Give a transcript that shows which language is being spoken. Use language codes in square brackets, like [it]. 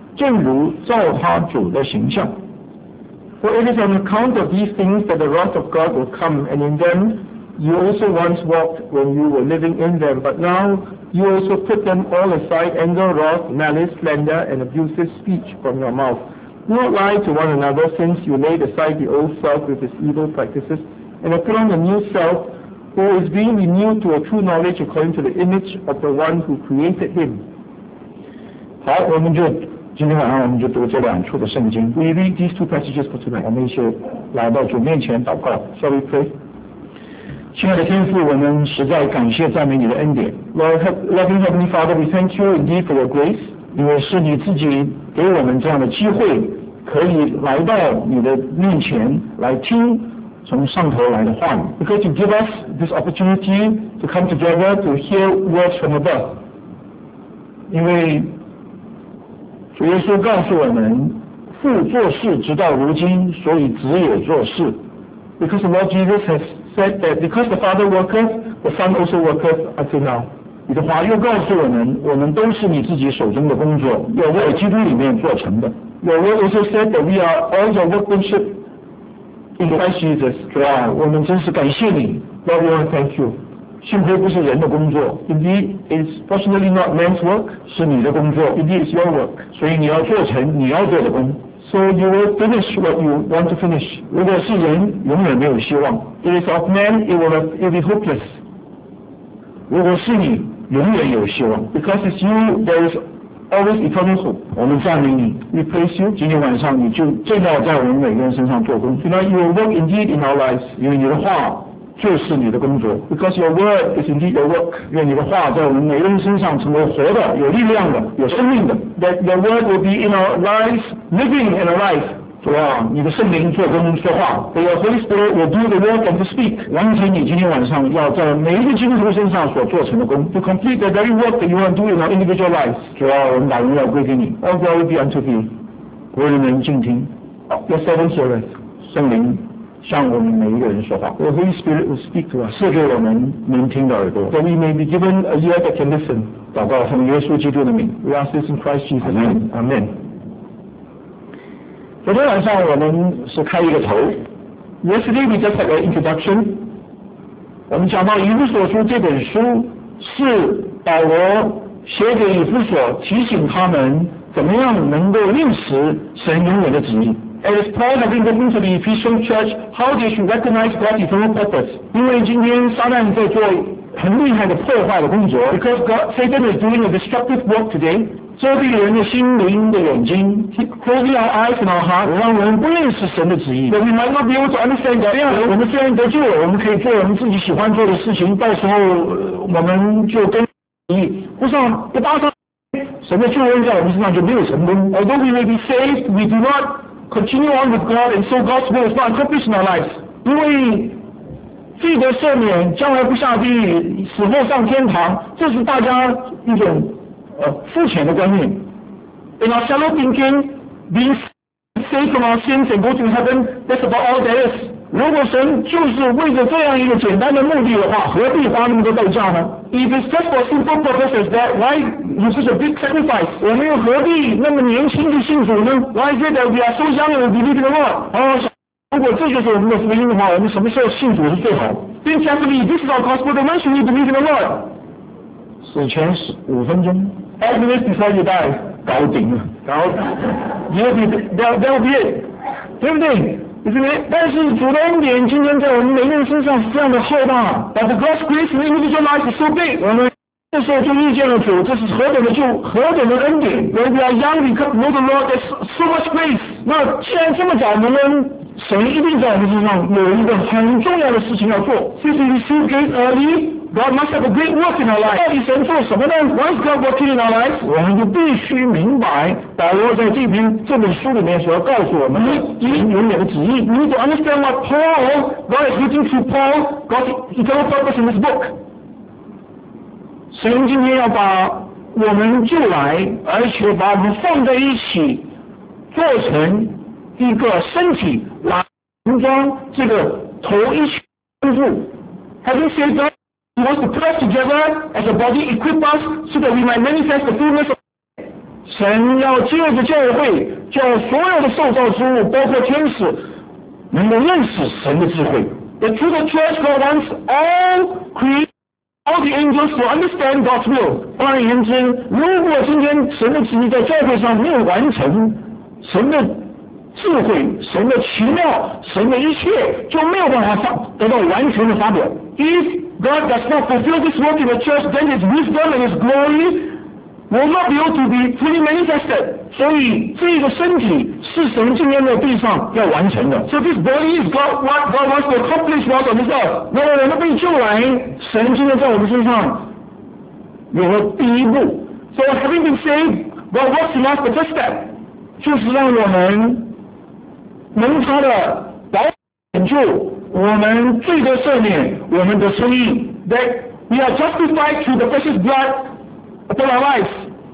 [zh] 但现在你们要弃绝这一切的事，以及恼恨、愤怒、恶毒、毁谤，并口中污秽的言语，不要彼此说谎，因为你们已经脱去旧人和旧人的行为，穿上了新人。这新人在知识上渐渐更新，正如造他主的形象。 [en] For it is on account of these things that the wrath of God will come, and in them you also once walked when you were living in them, but now you also put them all aside, anger, wrath, malice, slander, and abusive speech from your mouth. Do not lie to one another, since you laid aside the old self with its evil practices, and have put on the new self, who is being renewed to a true knowledge according to the image of the one who created him. [zh] 好，我们就今天晚上我们就读这两处的圣经。 [en] We read these two passages for tonight. [zh] 我们一起来到主面前祷告。 [en] Shall we pray? [zh] 亲爱的天父，我们实在感谢赞美你的恩典。 [en] Loving Heavenly Father, we thank you indeed for your grace. [zh] 因为是你自己给我们这样的机会，可以来到你的面前来听从上头来的话语。 [en] Because you give us this opportunity to come together to hear words from above. [zh] 因为主耶稣告诉我们，父做事直到如今，所以子也做事。 [en] Because the Lord Jesus has said that because the Father worketh, the Son also worketh until now. [zh] 你的话又告诉我们，我们都是你自己手中的工作，有在基督里面做成的。 [en] Your word also said that we are all your workmanship in Christ Jesus. [zh] 主啊，我们真是感谢你。 [en] Lord, we want to thank you. [zh] 幸亏不是人的工作。 [en] Indeed, it's fortunately not man's work. [zh] 是你的工作。 [en] Indeed, it's your work. [zh] 所以你要做成你要做的工。 [en] So you will finish what you want to finish. [zh] 如果是人，永远没有希望。 [en] If it's of man, it will be hopeless. [zh] 如果是你，永远有希望。 [en] Because it's you, there is always eternal hope. [zh] 我们赞美你。 [en] We praise you. [zh] 今天晚上你就正要在我们每个人身上做工。 [en] You know, you will work indeed in our lives. [zh] 因为你的话就是你的工作。 [en] Because your word is indeed your work. [zh] 愿你的话在我们每个人身上成为活的、有力量的、有生命的。 [en] That your word will be in our lives, living and alive. [zh] 主啊，你的圣灵做工说话。 [en] That your Holy Spirit will do the work and to speak. [zh] 完成你今天晚上要在每一个基督徒身上所做成的工。 [en] To complete the very work that you want to do in our individual lives. [zh] 主啊，我们把荣耀归给你。 [en] All glory will be unto thee. [zh] 仆人们静听。 [en] Your servant hears. [zh] 圣灵向我们每一个人说话。 [en] The Holy Spirit will speak to us. [zh] 赐给我们能听的耳朵。 [en] That we may be given a ear that can listen. [zh] 祷告奉耶稣基督的名。 [en] We ask this in Christ Jesus. Amen. Amen. [zh] 昨天晚上我们是开一个头。 [en] Yesterday we just had an introduction. [zh] 我们讲到以弗所书这本书是保罗写给以弗所，提醒他们怎么样能够认识神永远的旨意。 [en] And it's Paul having written to the Ephesian church how they should recognize God's eternal purpose. [zh] 因为今天撒旦在做很厉害的破坏的工作。 [en] Because Satan is doing a destructive work today. [zh] 遮蔽人的心灵的眼睛。 [en] Closing our eyes and our hearts. [zh] 让人不认识神的旨意。 [en] But we might not be able to understand that. [zh] 这样我们虽然得救了，我们可以做我们自己喜欢做的事情，到时候我们就跟旨意不上不搭上。神的救恩在我们身上就没有成功。 [en] Although we may be saved, we do not. Continue on with God, and so God's will is not accomplished in our lives. [zh] 因为罪得赦免，将来不下地狱，死后上天堂，这是大家一种肤浅的观念。 [en] In our shallow thinking, being saved from our sins and go to heaven, that's about all there is. [zh] 如果神就是为着这样一个简单的目的的话，何必花那么多代价呢？ [en] If it's just for simple purposes, that why you such a big sacrifice? [zh] 我们又何必那么年轻的信主呢？ [en] Why is it that we are so young and believe in the Lord? [zh] 如果这就是我们的福音的话，我们什么时候信主是最好？ [en] Then carefully, this is our gospel, then when should we believe in the Lord? [zh] 死前五分钟。 [en] 8 minutes before you die. [zh] 搞定了。搞定了。 [en] That will be it. [zh] 对不对？ [en] Isn't it? [zh] 但是主的恩典今天在我们每个人身上是这样的浩大。 [en] But the God's grace in individual life is so big. [zh] 我们这时候就遇见了主，这是何等的救，何等的恩典。 [en] When we are young, we come to know the Lord, there's so much grace. [zh] 那既然这么早能恩，神一定在我们身上有一个很重要的事情要做。 [en] Since we receive grace early, God must have a great work in our life. [zh] 到底神做什么呢？ [en] Why is God working in our life? [zh] 我们就必须明白保罗在这篇这本书里面所要告诉我们神永远的旨意。 [en] We need to understand what Paul, God is written to Paul, God's eternal purpose in this book. [zh] 神今天要把我们救来，而且把我们放在一起，做成一个身体，来安装这个头一起帮助。 [en] Have you said that he wants to put us together as a body, equip us so that we might manifest the fullness of God? [zh] 神要借着教会，叫所有的受造之物，包括天使，能够认识神的智慧。 [en] The true church God wants all created, all the angels to understand God's will. [zh] 换言之，如果今天神的旨意在教会上没有完成，神的智慧、神的奇妙、神的一切，就没有办法得到完全的发表。 [en] If God does not fulfill this work in the church, then His wisdom and His glory will not be able to be fully manifested. [zh] 所以这个身体是神今天在地上要完成的。 [en] So this body is God, what God wants to accomplish for us on this earth. [zh] 那么我们被救来，神今天在我们身上有了第一步。 [en] So having been saved, God wants in us the first step, [zh] 就是让我们蒙他的保拯救，我们罪得赦免，我们的生命 [en] that we are justified through the precious blood upon our lives.